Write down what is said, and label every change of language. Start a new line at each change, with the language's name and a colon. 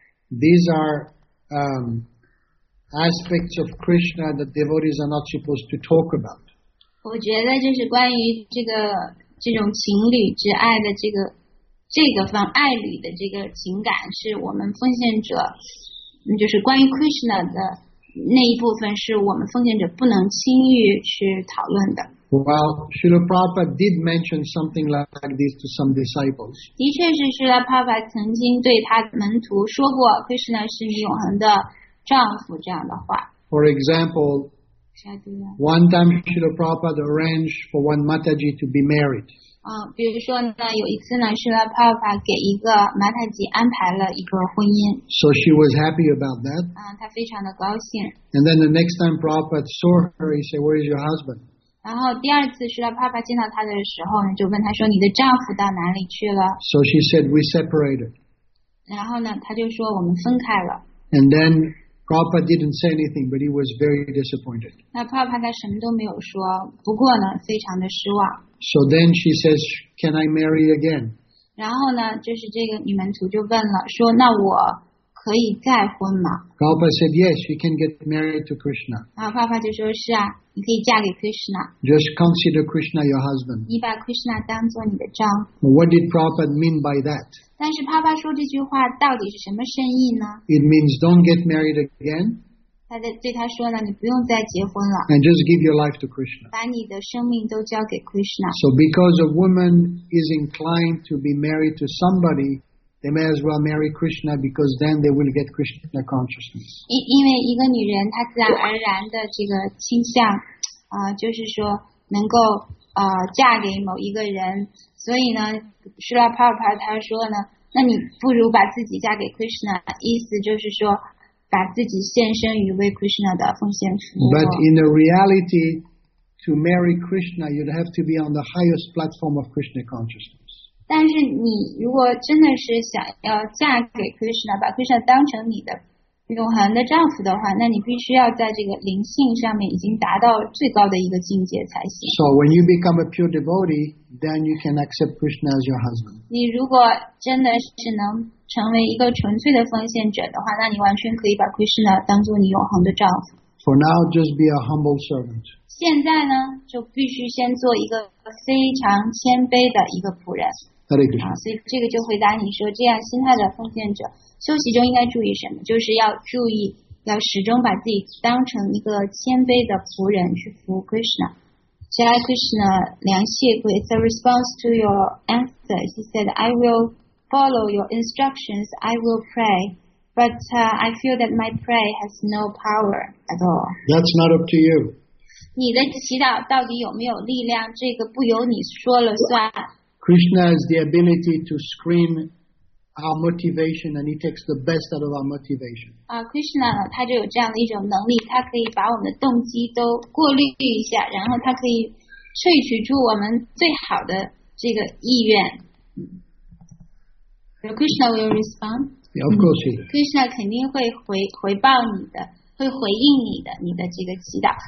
English: These are aspects of Krishna that devotees are not supposed to talk about.
Chinese: 我觉得就是关于这种情侣之爱的爱侣的这个情感，是我们奉献者，就是关于 Krishna 的那一部分，是我们奉献者不能轻易去讨论的。
English: Well, Srila Prabhupada did mention something like this to some disciples.
Chinese: 的确是 Srila Prabhupada 曾经对他门徒说过 Krishna 是你永恒的丈夫这样的话。
English: For example, one time Srila Prabhupada arranged for one Mataji to be married.
Chinese: 比如说呢，有一次呢 ，Srila Prabhupada 给一个 Mataji 安排了一个婚姻。
English: So she was happy about that.
Chinese: 她非常的高兴。
English: And then the next time Prabhupada saw her, he said, "Where is your husband?"
Chinese: 然后第二次 Srila Prabhupada 见到她的时候呢，就问她说，你的丈夫到哪里去了？
English: So she said, "We separated."
Chinese: 然后呢，她就说我们分开了。
English: And then Prabhupada didn't say anything, but he was very disappointed.
Chinese: 那 Prabhupada 什么都没有说，不过呢，非常的失望。
English: So then she says, "Can I marry again?"
Chinese: 然后呢，就是这个女门徒就问了，说那我可以再婚吗？
English: Prabhupada said, "Yes, you can get married to Krishna."
Chinese: 然后 Prabhupada 就说，是啊，你可以嫁给 Krishna.
English: Just consider Krishna your husband.
Chinese: 你把 Krishna 当做你的丈夫。
English: What did Prabhupada mean by that?
Chinese: 但是 Prabhupada 说这句话到底是什么深意呢？
English: It means don't get married again.
Chinese: 他对他说呢，你不用再结婚了。
English: And just give your life to Krishna.
Chinese: 把你的生命都交给 Krishna.
English: So because a woman is inclined to be married to somebody, they may as well marry Krishna because then they will get Krishna consciousness.
Chinese: 因为一个女人她自然而然的这个倾向，就是说能够嫁给某一个人，所以呢，释迦牟尼佛他说呢，那你不如把自己嫁给 Krishna， 意思就是说。把自己献身于为 Krishna 的奉献服务。
English: But in the reality, to marry Krishna, you'd have to be on the highest platform of Krishna consciousness.
Chinese: 但是你如果真的是想要嫁给 Krishna， 把 Krishna 当成你的永恒的丈夫的话，那你必须要在这个灵性上面已经达到最高的一个境界才行。
English: So when you become a pure devotee, then you can accept Krishna as your husband.
Chinese: 你如果真的是能成为一个纯粹的奉献者的话，那你完全可以把 Krishna 当做你永恒的丈夫。
English: For now, just be a humble servant.
Chinese: 现在呢，就必须先做一个非常谦卑的一个仆人。
English: Hare Krishna.
Chinese: 所以这个就回答你说，这样心态的奉献者，休息中应该注意什么？就是要注意，要始终把自己当成一个谦卑的仆人去服务 Krishna。
English: Jaya Krishna, 梁谢贵 It's a response to your answer. He said, "I will follow your instructions. I will pray, but I feel that my prayer has no power at all." That's not up to you.
Chinese: 你的祈祷到底有没有力量？这个不由你说了算。
English: Krishna has the ability to screen our motivation, and he takes the best out of our motivation.
Chinese: Krishna 他就有这样的一种能力，他可以把我们的动机都过滤一下，然后他可以萃取出我们最好的这个意愿。
English: Krishna will respond. Yeah, of course he does.
Chinese: Krishna 肯定会回报你的，会回应你的，你的这个祈祷。